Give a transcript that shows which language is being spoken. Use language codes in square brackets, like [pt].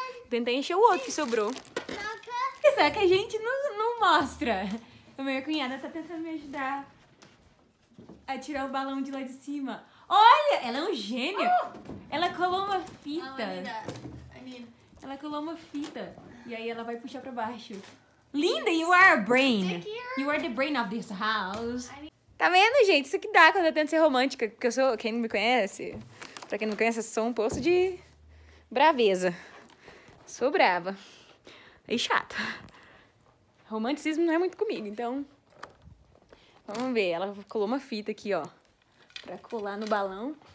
[pt] Tentei encher o outro que sobrou. Toca. Será que a gente não mostra? A minha cunhada tá tentando me ajudar a tirar o balão de lá de cima. Olha, ela é um gênio. Oh. Ela colou uma fita. Ela colou uma fita. E aí ela vai puxar pra baixo. [en] Linda, you are a brain. You are the brain of this house. [pt] Tá vendo, gente? Isso que dá quando eu tento ser romântica. Porque eu sou... Quem não me conhece? Pra quem não conhece, eu sou um poço de... Braveza. Sou brava. E chata. Romanticismo não é muito comigo, então... Vamos ver. Ela colou uma fita aqui, ó. Pra colar no balão.